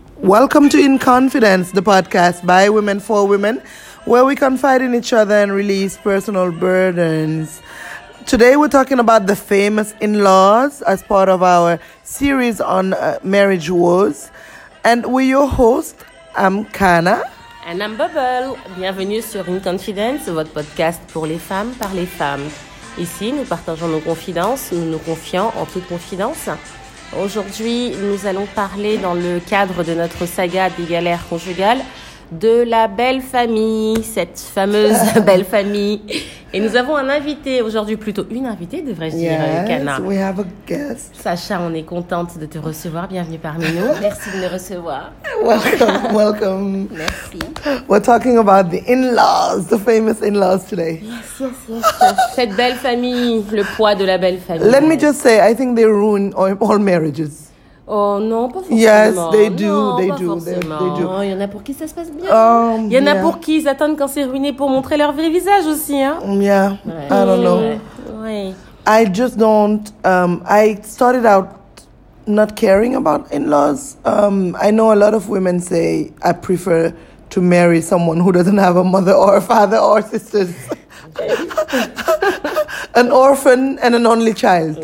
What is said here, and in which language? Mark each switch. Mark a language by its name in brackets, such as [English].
[English] Welcome to In Confidence, the podcast by women for women, where we confide in each other and release personal burdens. Today we're talking about the famous in-laws as part of our series on marriage woes. And we're your host, I'm Kana. And I'm Bubble. [French] Bienvenue sur In Confidence, votre podcast pour les femmes par les femmes. Ici, nous partageons nos confidences, nous nous confions en toute confidence. Aujourd'hui, nous allons parler, dans le cadre de notre saga des galères conjugales, de la belle famille, cette fameuse belle famille. Et nous avons un invité aujourd'hui, plutôt une invitée, devrais-je dire, Kana. [English] Yes, we have a guest. [French] Sacha, on est contente de te recevoir. Bienvenue parmi nous. Merci de me recevoir. [English] Welcome, welcome. [French] Merci. [English] We're talking about the in-laws, the famous in-laws today. Yes, yes, yes. [French] Cette belle famille, le poids de la belle famille. [English] Let me just say, I think they ruin all marriages. [French] Oh non, pas forcément. [English] Yes, they do, [French] non, [English] they, [French] pas [English] do. They do. [French] Il y en a pour qui ça se passe bien. Il y en a pour qui ils attendent quand c'est ruiné pour montrer leur vrai visage aussi, hein. [English] Yeah, ouais. I don't know. [French] Ouais. [English] I just don't. I started out not caring about in-laws. I know a lot of women say I prefer to marry someone who doesn't have a mother or a father or sisters. An orphan and an only child.